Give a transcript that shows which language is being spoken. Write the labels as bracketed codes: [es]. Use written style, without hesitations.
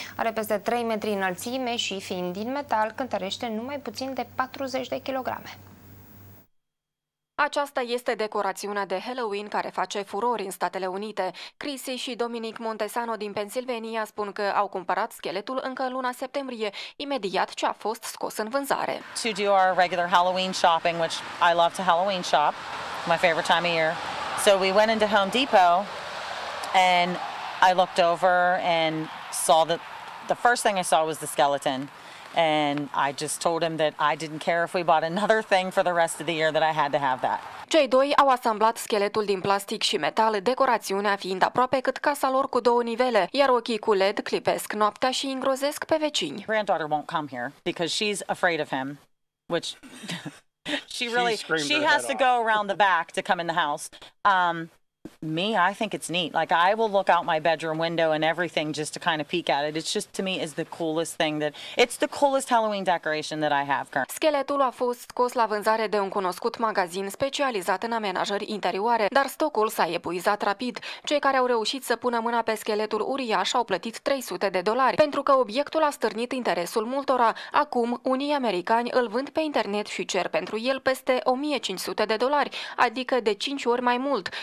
[ro] Are peste 3 metri înălțime și, fiind din metal, cântărește numai puțin de 40 de kilograme. Aceasta este decorațiunea de Halloween care face furori în Statele Unite. Chrissy și Dominic Montesano din Pennsylvania spun că au cumpărat scheletul încă în luna septembrie, imediat ce a fost scos în vânzare. [en] To do our regular Halloween shopping, which I love to Halloween shop, my favorite time of year. So we went into Home Depot and I looked over and saw that the first thing I saw was the skeleton. And I just told him that I didn't care if we bought another thing for the rest of the year, that I had to have that. [ro] Cei doi au asamblat scheletul din plastic și metal, decorațiunea fiind aproape cât casa lor cu două nivele, iar ochii cu LED clipesc noaptea și îngrozesc pe vecini. [en] Granddaughter won't come here because she's afraid of him, which she has to go around the back to come in the house. Me, I think it's neat. Like, I will look out my bedroom window and everything just to kind of peek at it. It's just, to me, is the coolest thing that... It's the coolest Halloween decoration that I have currently. [ro] Scheletul a fost scos la vânzare de un cunoscut magazin specializat în amenajări interioare, dar stocul s-a epuizat rapid. Cei care au reușit să pună mâna pe scheletul uriaș au plătit $300, pentru că obiectul a stârnit interesul multora. Acum, unii americani îl vând pe internet și cer pentru el peste $1,500, adică de 5 ori mai mult.